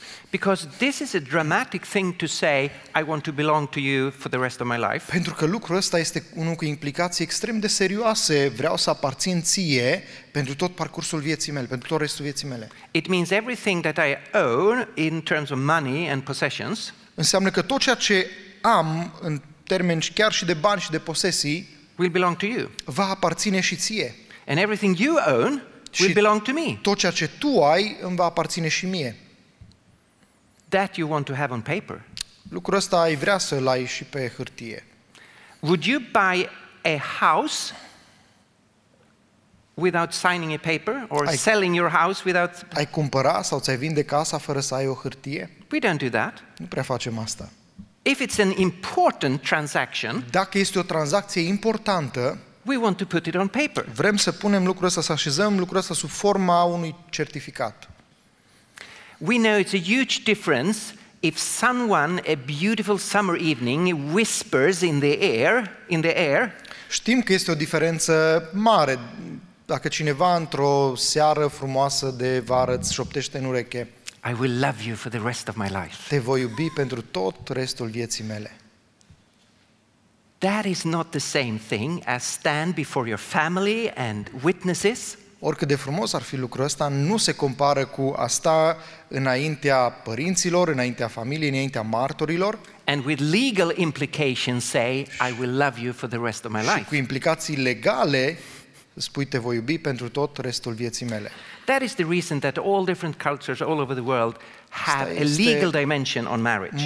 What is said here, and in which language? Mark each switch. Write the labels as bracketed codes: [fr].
[en] Because this is a dramatic thing to say, I want to belong to you for the rest of my life. [ro] Pentru că lucrul ăsta este unul cu implicații extrem de serioase, vreau să aparțin ție pentru tot parcursul vieții mele, pentru tot restul vieții mele. [en] It means everything that I own in terms of money and possessions. [ro] Înseamnă că tot ceea ce am în termeni chiar și de bani și de posesii [en] will belong to you. [ro] Va aparține și ție. [en] And everything you own will belong to me. [ro] Tot ceea ce tu ai îmi va aparține și mie. [en] That you want to have on paper. [ro] Lucrul ăsta ai vrea să îl ai și pe hârtie. [en] Would you buy a house without signing a paper or selling your house without? [ro] Ai cumpăra sau ți-ai vinde casa fără să ai o hârtie? [en] We don't do that. [ro] Nu prea facem asta. [en] If it's an important transaction, [ro] dacă este o tranzacție importantă, [en] we want to put it on paper. [ro] Vrem să punem lucrul ăsta, să așezăm lucrul ăsta sub forma unui certificat. [en] We know it's a huge difference if someone a beautiful summer evening whispers in the air. [ro] Știm că este o diferență mare dacă cineva într-o seară frumoasă de vară îți șoptește în ureche. [en] I will love you for the rest of my life. [ro] Te voi iubi pentru tot restul vieții mele. [en] That is not the same thing as stand before your family and witnesses. [ro] Oricât de frumos ar fi lucrul ăsta, nu se compară cu a sta înaintea părinților, înaintea familiei, înaintea martorilor. [en] And with legal implications say I will love you for the rest of my life. [ro] Și cu implicații legale spui te voi iubi pentru tot restul vieții mele. [en] That is the reason that all different cultures all over the world have a legal dimension on marriage.